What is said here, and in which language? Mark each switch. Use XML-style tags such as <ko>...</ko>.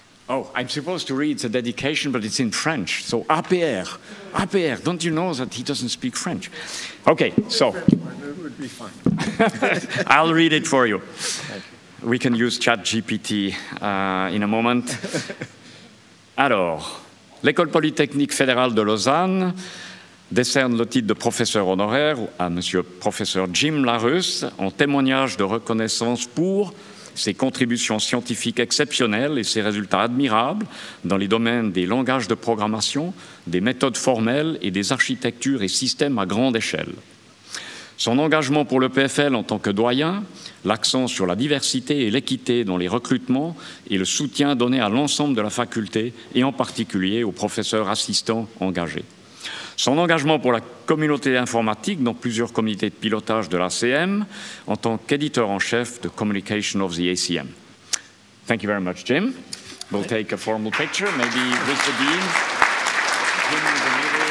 <en>Oh, I'm supposed to read the dedication, but it's in French. So, APR, don't you know that he doesn't speak French? Okay, so. I'll read it for you. We can use ChatGPT in a moment.</en> <fr>Alors, l'École Polytechnique Fédérale de Lausanne décerne le titre de professeur honoraire à M. professeur Jim Larus en témoignage de reconnaissance pour ses contributions scientifiques exceptionnelles et ses résultats admirables dans les domaines des langages de programmation, des méthodes formelles et des architectures et systèmes à grande échelle. Son engagement pour l'EPFL en tant que doyen, l'accent sur la diversité et l'équité dans les recrutements et le soutien donné à l'ensemble de la faculté et en particulier aux professeurs assistants engagés. Son engagement pour la communauté informatique dans plusieurs comités de pilotage de l'ACM en tant qu'éditeur en chef de Communication of the ACM.</fr> <en>Thank you very much, Jim. We'll take a formal picture, maybe with the dean. Jim is a</en>